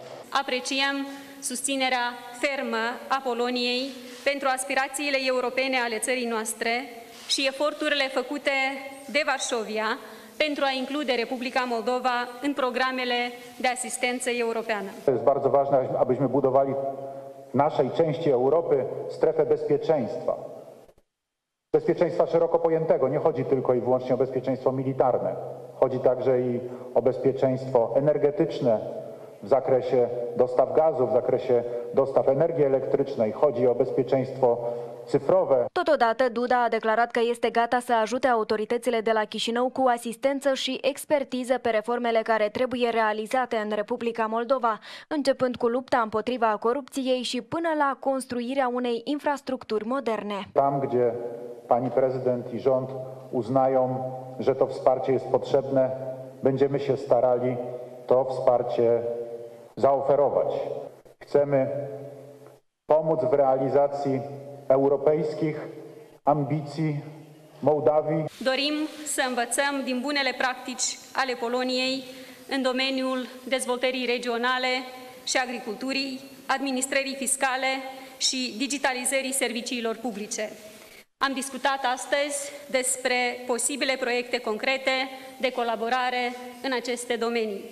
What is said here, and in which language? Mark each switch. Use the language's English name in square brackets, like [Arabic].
[Romanian] Apreciem susținerea fermă a Poloniei pentru aspirațiile europene ale țării noastre și eforturile făcute de Varșovia pentru a include Republica Moldova în programele de asistență europeană. Este foarte [Polish] важно, abyśmy budowali w naszej części Europy strefę bezpieczeństwa. Bezpieczeństwa szeroko pojętego, nie chodzi tylko i wyłącznie o bezpieczeństwo militarne, chodzi także i o bezpieczeństwo energetyczne. W zakresie dostaw gazu, w zakresie dostaw energii elektrycznej, chodzi o bezpieczeństwo cyfrowe. [Romanian] Totodată, Duda a declarat că este gata să ajute autoritățile de la Chișinău cu asistență și expertiză pe reformele care trebuie realizate în Republica Moldova, începând cu lupta împotriva corupției și până la construirea unei infrastructuri moderne. [Polish] Tam, gdzie pani prezydent i rząd uznają, że to wsparcie jest potrzebne, będziemy się starali to wsparcie zaoferować. Chcemy pomóc w realizacji europejskich ambicji Mołdawii. [Romanian] Dorim să învățăm din bunele practici ale Poloniei în domeniul dezvoltării regionale și agriculturii, administrării fiscale și digitalizării serviciilor publice. Am discutat astăzi despre posibile proiecte concrete de colaborare în aceste domenii.